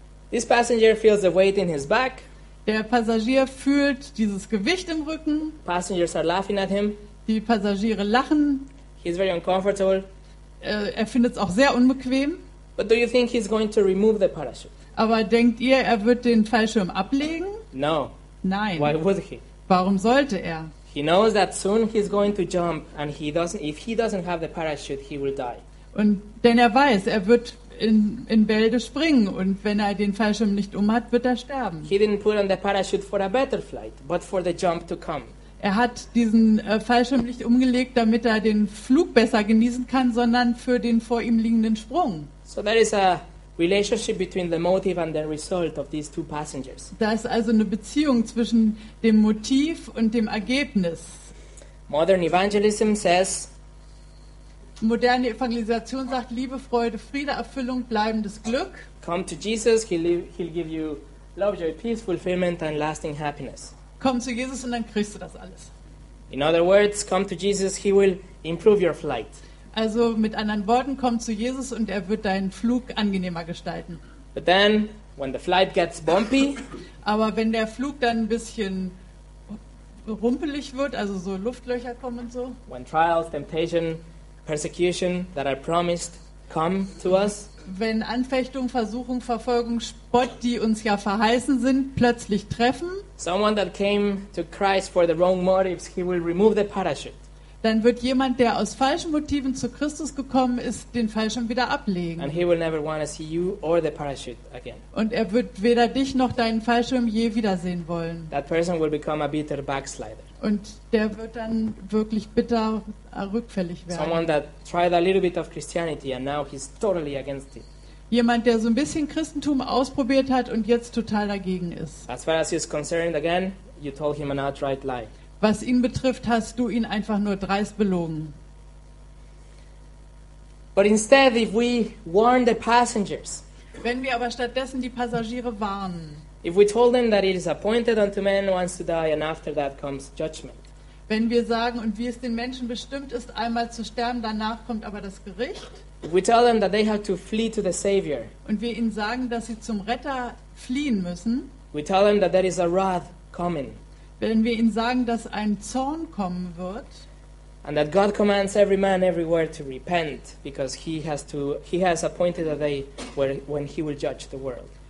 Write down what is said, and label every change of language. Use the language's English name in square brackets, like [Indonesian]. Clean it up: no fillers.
[English] This passenger feels the weight in his back. [German] Der Passagier fühlt dieses Gewicht im Rücken. [English] Passengers are laughing at him. [German] Die Passagiere lachen. [English] He's very uncomfortable. [German] Er findet es auch sehr unbequem. [English] But do you think he's going to remove the parachute? [German] Aber denkt ihr, er wird den Fallschirm ablegen? [English] No. [German] Nein. [English] Why would he? [German] Warum sollte er? [English] He knows that soon he's going to jump and if he doesn't have the parachute, he will die. [German] Und denn er weiß, er wird in Bälde springen und wenn er den Fallschirm nicht umhat, wird er sterben. [English] He didn't put on the parachute for a better flight, but for the jump to come. [German] Er hat diesen Fallschirm nicht umgelegt, damit er den Flug besser genießen kann, sondern für den vor ihm liegenden Sprung. [English] So that is a relationship between the motive and the result of these two passengers. [German] Da ist also eine Beziehung zwischen dem Motiv und dem Ergebnis. [English] Modern evangelism says, [German] moderne Evangelisation sagt, Liebe, Freude, Friede, Erfüllung, bleibendes Glück. [English] Come to Jesus, he'll give you love, joy, peace, fulfillment and lasting happiness. [German] Komm zu Jesus und dann kriegst du das alles. [English] In other words, come to Jesus, he will improve your flight. [German] Also mit anderen Worten, komm zu Jesus und er wird deinen Flug angenehmer gestalten. [English] But then, when the flight gets bumpy, [German] aber wenn der Flug dann ein bisschen rumpelig wird, also so Luftlöcher kommen und so, [English] when trials, temptation, persecution that are promised come to us, [German] wenn Anfechtung, Versuchung, Verfolgung, Spott, die uns ja verheißen sind, plötzlich treffen, [English] someone that came to Christ for the wrong motives, he will remove the parachute. [German] Dann wird jemand, der aus falschen Motiven zu Christus gekommen ist, den Fallschirm wieder ablegen. [English] And he will never want to see you or the parachute again. [German] Und er wird weder dich noch deinen Fallschirm je wiedersehen wollen. [English] That person will become a bitter backslider. [German] Und der wird dann wirklich bitter rückfällig werden. [English] Someone that tried a little bit of Christianity and now he's totally against it. [German] Jemand, der so ein bisschen Christentum ausprobiert hat und jetzt total dagegen ist. [English] As far as he's concerned, again, you told him an outright lie. [German] Was ihn betrifft, hast du ihn einfach nur dreist belogen. [English] But instead, if we warn the passengers, [German] wenn wir aber stattdessen die Passagiere warnen, [English] if we told them that it is appointed unto man once to die, and after that comes judgment, [German] wenn wir sagen, und wie es den Menschen bestimmt ist, einmal zu sterben, danach kommt aber das Gericht, [English] if we tell them that they have to flee to the Savior, [German] und wir ihnen sagen, dass sie zum Retter fliehen müssen, [English] we tell them that there is a wrath coming, [German] wenn wir ihnen sagen, dass ein Zorn kommen wird, [English] and that God commands every man everywhere to repent, because he has appointed a day where, when he will judge the world.